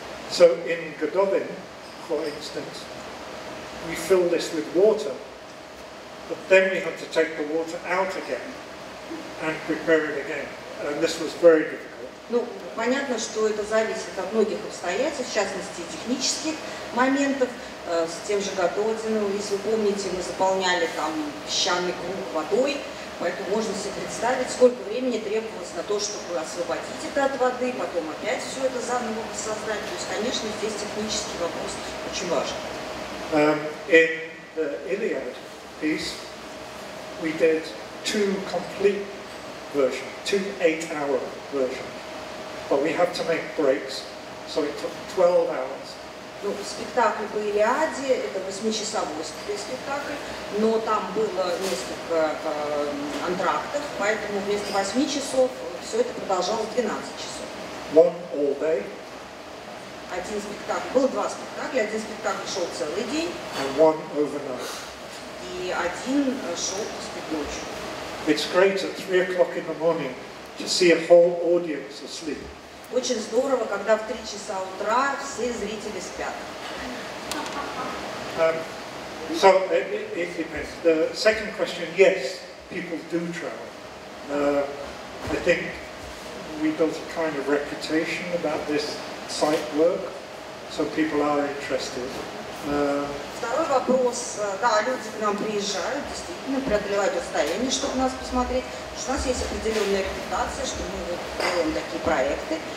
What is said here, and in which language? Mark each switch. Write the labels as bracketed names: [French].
[English] So in Godovin, for instance, we fill this with water, but then we had to take the water out again and prepare it again. And this was very difficult. [Russian] Ну, понятно, что это зависит от многих обстоятельств, в частности технических моментов. С тем же Готовиным, если вы помните, мы заполняли там песчаный круг водой, поэтому можно себе представить, сколько времени требовалось на то, чтобы освободить это от воды, потом опять все это заново создать. То есть, конечно, здесь технический вопрос очень важен. [English] In the Iliad piece, we did two complete versions, two 8-hour versions, but we had to make breaks, so it took 12 hours. [Russian] Ну, спектакль по Илиаде, это 8-часовой спектакль, но там было несколько антрактов, поэтому вместо 8 часов все это продолжалось 12 часов. [English] One all day. [Russian] Один спектакль, было два спектакля, один спектакль шел целый день. [English] And one overnight. [Russian] И один шел посреди ночи. [English] It's great at 3 o'clock in the morning to see a whole audience asleep. [Russian] Очень здорово, когда в 3 часа утра все зрители спят. [English] So, it depends. The second question, yes, people do travel. I think we built a kind of reputation about this site work, so people are interested. [Russian] Второй вопрос. Да, люди к нам приезжают, действительно, преодолевают расстояние, чтобы нас посмотреть. У нас есть определенная репутация, что мы делаем такие проекты.